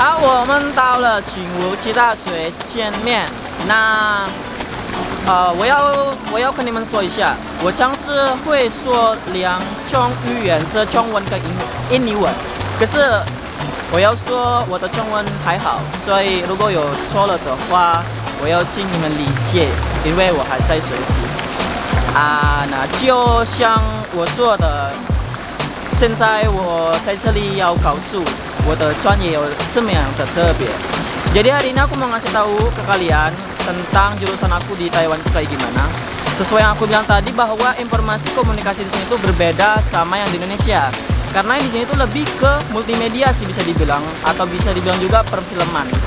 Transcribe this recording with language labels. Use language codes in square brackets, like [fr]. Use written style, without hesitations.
[id] Kita sudah [zh] 见面. Nah, 我要跟你们说一下，我将是会说两种语言，是中文跟印尼文。可是我要说我的中文还好，所以如果有错了的话，我要请你们理解，因为我还在学习。啊，那就像我说的，现在我在这里要告诉我的专业有什么样的特别。 [id] Jadi hari ini aku mau ngasih tahu ke kalian tentang jurusan aku di Taiwan itu kayak gimana. Sesuai yang aku bilang tadi bahwa informasi komunikasi di sini itu berbeda sama yang di Indonesia. Karena di sini itu lebih ke multimedia sih bisa dibilang, atau bisa dibilang juga perfilman.